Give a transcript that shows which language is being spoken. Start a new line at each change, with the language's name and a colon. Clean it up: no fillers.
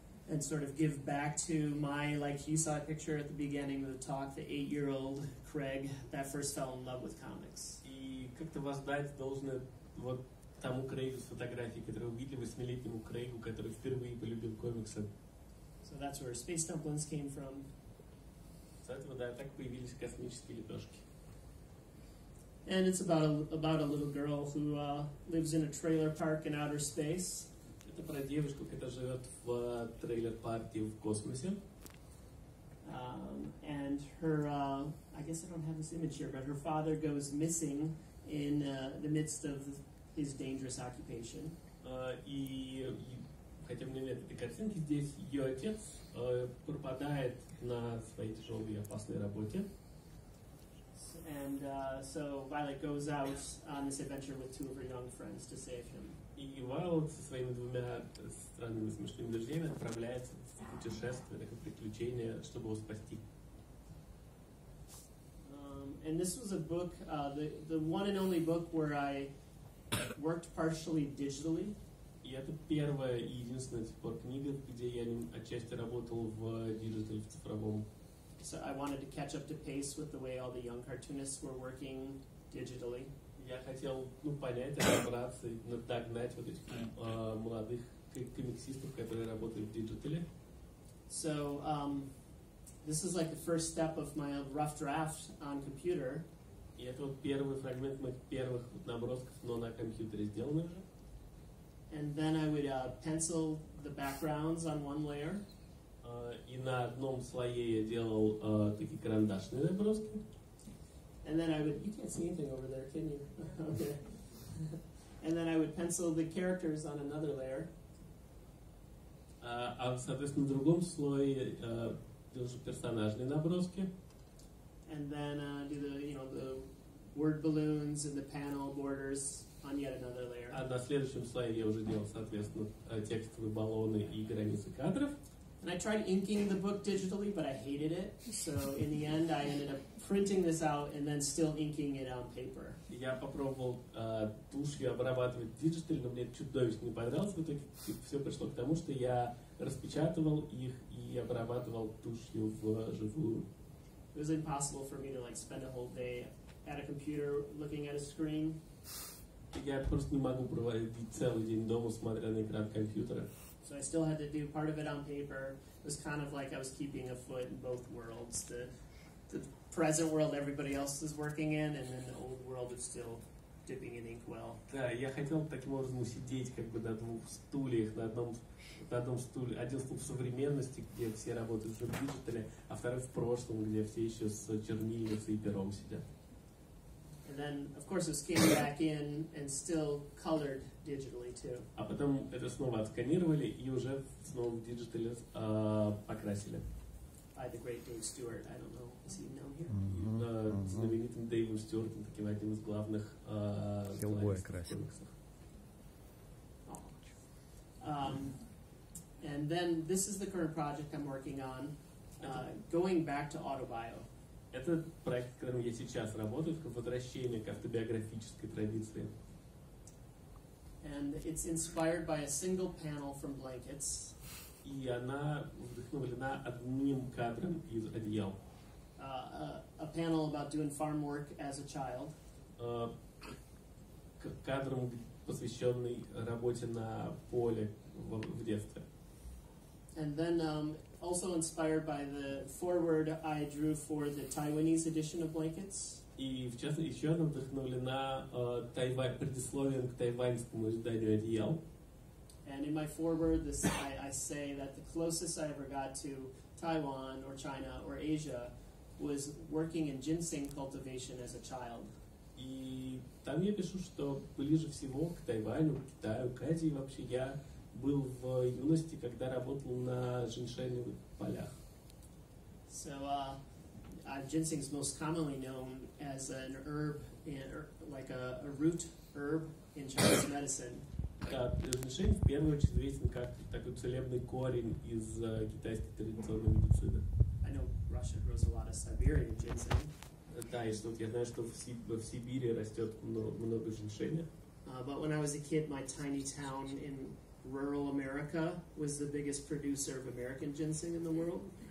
English: And sort of give back to my, like you saw a picture at the beginning of the talk, the 8-year-old Craig that first fell in love with comics.
Russian: И как-то воздать должное вот тому Крейгу с фотографией, который увидели, 8-летнему Крейгу, который впервые полюбил комиксы.
English: So that's where Space Dumplings came from.
Russian: С этого, да, так появились космические лепешки.
English: And it's about a little girl who lives in a trailer park in outer space.
Russian: Это про девушку, которая живет в трейлер-парке в космосе.
English: And her, I guess I don't have this image here, but her father goes missing in the midst of his dangerous occupation.
Russian: И хотя у меня нет этой картинки здесь, ее отец пропадает на своей тяжелой и опасной работе.
English: And so Violet goes out on this adventure with two of her young friends to save him.
Russian: И Violet со своими двумя странными смешными друзьями отправляется в путешествие, такое приключение, чтобы его спасти.
English: And this was a book, the one and only book where I worked partially digitally.
Russian: И это первая и единственная типа книга, где я отчасти работал в диджитале, в цифровом.
English: So I wanted to catch up to pace with the way all the young cartoonists were working digitally.
Russian: Я хотел, ну, понять, разобраться, догнать вот этих молодых комиксистов, которые работали в диджитале.
English: So this is like the first step of my rough draft on computer.
Russian: И это вот первый фрагмент моих первых набросков, но на компьютере сделанных же.
English: And then I would pencil the backgrounds on one layer.
Russian: И на одном слое я делал такие карандашные наброски.
English: And then I would, you can't see anything over there, can you? Okay. And then I would pencil the characters on another layer.
Russian: А в соответственно другом слое делал же персонажные наброски.
English: And then do the, you know, the word balloons and the panel borders on yet another layer.
Russian: А на следующем слое я уже делал соответственно текстовые баллоны и границы кадров.
English: And I tried inking the book digitally, but I hated it. So in the end, I ended up printing this out and then still inking it on paper.
Russian: Я попробовал тушью обрабатывать диджитально, мне чудовищно не понравилось. В итоге все пришло к тому, что я распечатывал их и обрабатывал тушью вживую.
English: It was impossible for me to like spend a whole day at a computer looking at a screen.
Russian: Я просто не могу проводить целый день дома, смотря на экран компьютера.
English: So I still had to do part of it on paper. It was kind of like I was keeping a foot in both worlds, the present world everybody else is working in, and then the old world is still dipping in inkwell.
Russian: Да, я хотел таким образом сидеть как бы на двух стульях, на одном стуле. Один стул в современности, где все работают в диджитале, а второй в прошлом, где все еще с чернильницей и пером сидят.
English: And then, of course, it was came back in and still colored digitally too.
Russian: А потом это снова отсканировали и уже снова в диджитале покрасили.
English: By the great Dave Stewart, I don't know, is he known here?
Russian: Знаменитым Дэйвом Стюартом, таким одним из главных Хеллбоя красил.
English: And then this is the current project I'm working on, going back to autobio.
Russian: Это проект, в котором я сейчас работаю, как возвращение к автобиографической традиции.
English: And it's inspired by a single panel from Blankets.
Russian: И она вдохновлена одним кадром из одеял.
English: A panel about doing farm work as a child.
Russian: Кадром, посвященный работе на поле в детстве.
English: And then also inspired by the foreword I drew for the Taiwanese edition of Blankets.
Russian: И в частности еще она вдохновлена предисловием к тайваньскому изданию одеял.
English: And in my foreword, this I say that the closest I ever got to Taiwan or China or Asia was working in ginseng cultivation as a child.
Russian: И там я пишу, что ближе всего к Тайваню, к Китаю, к Азии вообще я был в юности, когда работал на женьшеневых полях.
English: So, ginseng is most commonly known as an herb, like a root herb in Chinese medicine.
Russian: Женьшень в первую очередь известен как такой целебный корень из китайской традиционной медицины.
English: I know Russia grows a lot of Siberian ginseng.
Russian: Да, и вот я знаю, что в Сибири растет много женьшеня.
English: But when I was a kid, my tiny town in rural America was the biggest producer of American ginseng in the world.